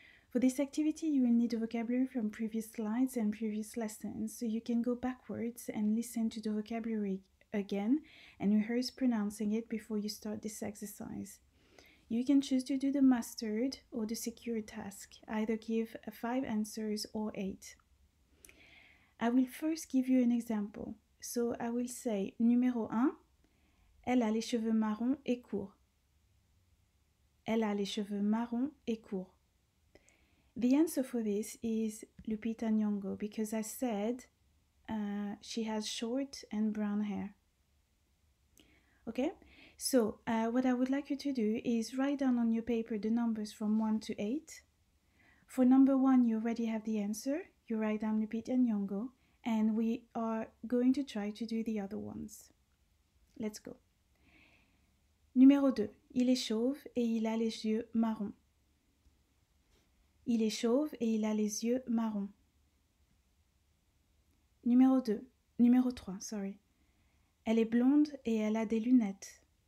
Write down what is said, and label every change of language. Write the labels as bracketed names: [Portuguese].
[English] For this activity, you will need a vocabulary from previous slides and previous lessons, so you can go backwards and listen to the vocabulary again and rehearse pronouncing it before you start this exercise. You can choose to do the mastered or the secured task, either give 5 answers or 8. I will first give you an example. So I will say, [French] numéro 1, elle a les cheveux marrons et courts. Elle a les cheveux marrons et courts. [English] The answer for this is Lupita Nyong'o, because I said she has short and brown hair. Okay, so what I would like you to do is write down on your paper the numbers from 1 to 8. For number 1, you already have the answer. You write down Lupita Nyong'o. And we are going to try to do the other ones. Let's go. Numéro 2. [French] Il est chauve et il a les yeux marrons. Il est chauve et il a les yeux marrons. Numéro 3. Elle est blonde et elle a des lunettes.